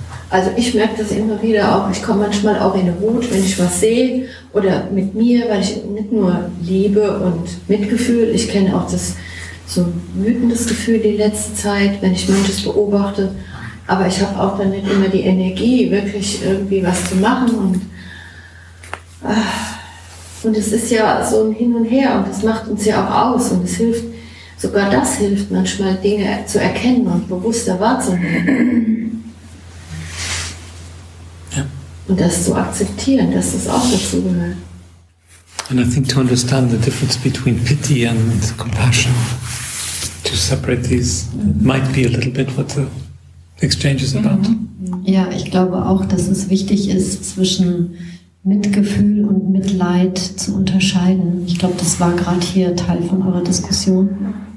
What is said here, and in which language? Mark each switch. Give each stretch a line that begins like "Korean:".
German: Also ich merke das immer wieder auch, ich komme manchmal auch in eine Wut, wenn ich was sehe oder mit mir, weil ich nicht nur Liebe und Mitgefühl, ich kenne auch das so wütendes Gefühl die letzte Zeit, wenn ich manches beobachte, aber ich habe auch dann nicht immer die Energie, wirklich irgendwie was zu machen und es ist ja so ein Hin und Her und das macht uns ja auch aus und es hilft, sogar das hilft manchmal, Dinge zu erkennen und bewusster wahrzunehmen. Und das zu akzeptieren, dass das auch dazu gehört.
English: And I think to understand the difference between pity and compassion, to separate these, might be a little bit what the exchange is about.
German: Ja, ich glaube auch, dass es wichtig ist, zwischen Mitgefühl und Mitleid zu unterscheiden. Ich glaube, das war gerade hier Teil von eurer Diskussion.